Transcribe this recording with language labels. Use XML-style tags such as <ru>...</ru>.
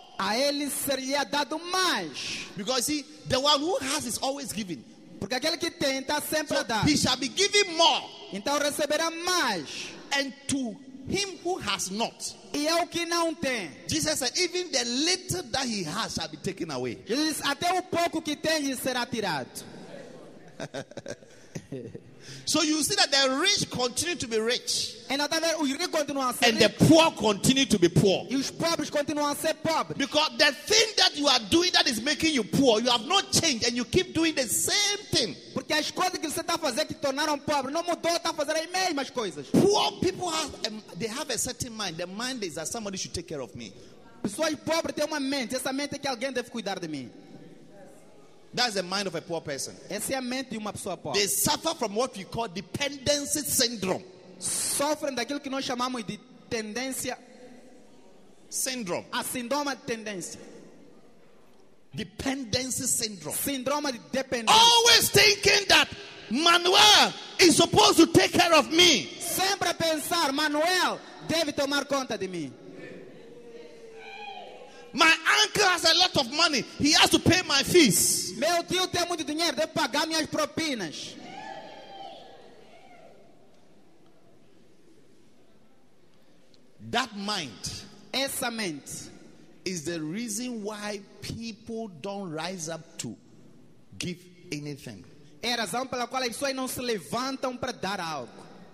<pt>A ele seria dado mais.</pt> <en>Because see, the one who has is always giving.</en> <pt>Porque aquele que tem está sempre so a dar.</pt> <en>He shall be given more.</en> <pt>Então receberá mais.</pt> <en>And to him who has not.</en> <pt>E é o que não tem.</pt> <en>Jesus said, even the little that he has shall be taken away.</en> <pt>Jesus disse, até o pouco que tem lhe será tirado.</pt> <en>So you see that the rich continue to be rich. And, other,</en> <pt>o rico continua a ser</pt> <en>and</en> <pt>rico.</pt> <en>The poor continue to be poor.</en> <pt>E os pobres continuam a ser pobres.</pt> <en>Because the thing that you are doing that is making you poor, you have not changed and you keep doing the same thing.</en> <pt>Porque as coisas que você está fazendo que tornaram pobre não mudou, está fazendo as mesmas coisas.</pt> <en>Poor people have they have a certain mind. The mind is that somebody should take care of me.</en> <pt>Pessoas pobres têm uma mente. Essa mente é que alguém deve cuidar de mim.</pt> <en>That's the mind of a poor person.</en> <pt>Essa é a mente de uma pessoa pobre.</pt> <en>They suffer from what we call dependency syndrome.</en> <pt>Sofrem daquilo que nós chamamos de tendência</pt> <en>syndrome.</en> <pt>A síndrome de tendência.</pt> <en>Dependency syndrome.</en> <pt>Síndrome de dependência.</pt> <en>Always thinking that Manuel is supposed to take care of me.</en> <pt>Sempre pensar Manuel deve tomar conta de mim.</pt> <en>My uncle has a lot of money. He has to pay my fees.</en> <pt>Meu tio tem muito dinheiro, deve pagar minhas propinas.</pt> <en>That mind,</en> <pt>essa mente,</pt> <en>is the reason why people don't rise up to give anything.</en> <pt>É a razão pela qual as pessoas não se levantam para dar algo.</pt>